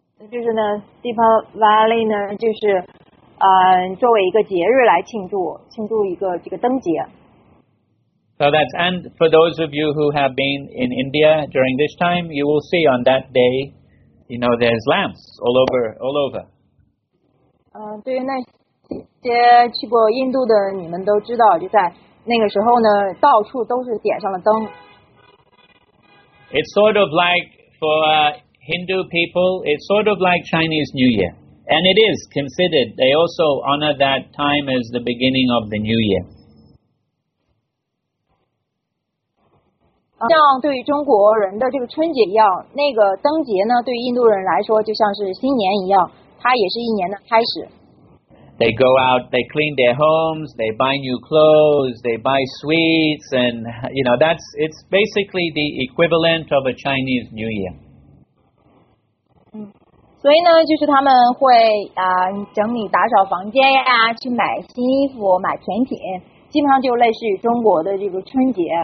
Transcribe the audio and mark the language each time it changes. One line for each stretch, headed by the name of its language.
Chinese: 就是呢 ，Deepavali 呢就是作为一个节日来庆祝一个这个灯节。
English: So that's, and for those of you who have been in India during this time, you will see on that day. You know, there's lamps all over.
Chinese: 对于那这些去过印度的你们都知道，就在那个时候呢，到处都是点上了灯。
English: It's sort of like for Hindu people, it's sort of like Chinese New Year. And it is considered, they also honor that time as the beginning of the New Year.
Chinese: 像对中国人的这个春节一样，那个灯节呢，对印度人来说就像是新年一样，它也是一年的开始。
English: They go out, they clean their homes, they buy new clothes, they buy sweets, and you know, that's, it's basically the equivalent of a Chinese New Year.
Chinese: 嗯，所以呢，就是他们会整理打扫房间呀，去买新衣服，买甜品，基本上就类似于中国的这个春节。